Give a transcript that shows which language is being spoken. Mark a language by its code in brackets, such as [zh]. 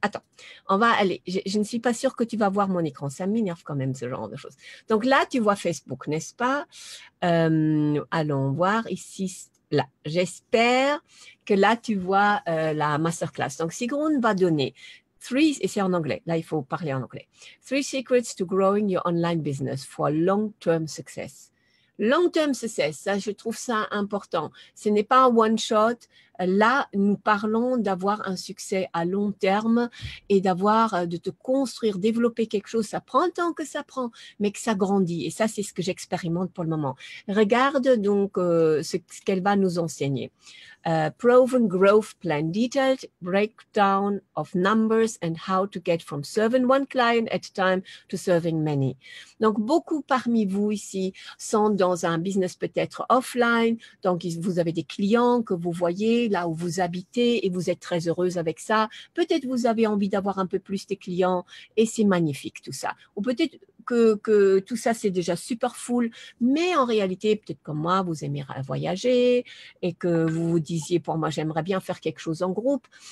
[fr] Attends, on va aller, je ne suis pas sûre que tu vas voir mon écran, ça m'énerve quand même ce genre de choses. Donc là, tu vois Facebook, n'est-ce pas? Allons voir ici, là, j'espère que là, tu vois la masterclass. Donc Sigrun va donner 3, et c'est en anglais, là, il faut parler en anglais. [en] 3 secrets to growing your online business for long-term success. Long-term success, [fr] ça, je trouve ça important. Ce n'est pas un one-shot. Là, nous parlons d'avoir un succès à long terme et d'avoir, de te construire, développer quelque chose. Ça prend le temps que ça prend, mais que ça grandit. Et ça, c'est ce que j'expérimente pour le moment. Regarde donc ce qu'elle va nous enseigner. [en] Proven growth plan, detailed breakdown of numbers and how to get from serving one client at a time to serving many. [fr] Donc, beaucoup parmi vous ici sont dans un business peut-être offline. Donc, vous avez des clients que vous voyez là où vous habitez et vous êtes très heureuse avec ça. Peut-être vous avez envie d'avoir un peu plus de clients et c'est magnifique tout ça. Ou peut-être que tout ça c'est déjà super full, mais en réalité, peut-être comme moi, vous aimez voyager et que vous vous disiez, pour moi, j'aimerais bien faire quelque chose en groupe.